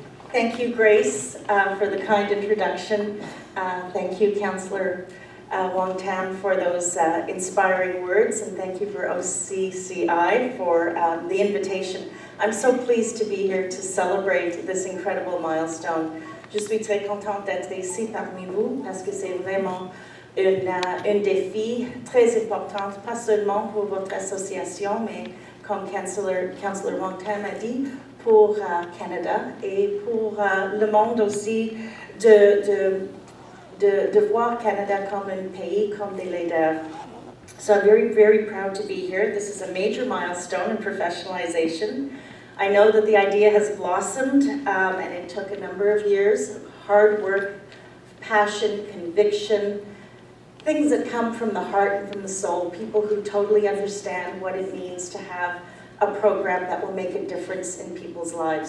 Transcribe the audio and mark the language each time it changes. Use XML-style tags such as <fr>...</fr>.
<en>Thank you, Grace, for the kind introduction. Thank you, Councillor Wong Tam, for those inspiring words, and thank you for OCCI for the invitation. I'm so pleased to be here to celebrate this incredible milestone.</en> <fr>Je suis très contente d'être ici parmi vous parce que c'est vraiment un défi très important, pas seulement pour votre association, mais comme Councillor Wong Tam a dit, pour Canada et pour le monde aussi de voir Canada comme un pays, comme des leaders.</fr> <en>So I'm very, very proud to be here. This is a major milestone in professionalization. I know that the idea has blossomed and it took a number of years of hard work, passion, conviction, things that come from the heart and from the soul, people who totally understand what it means to have a program that will make a difference in people's lives.</en>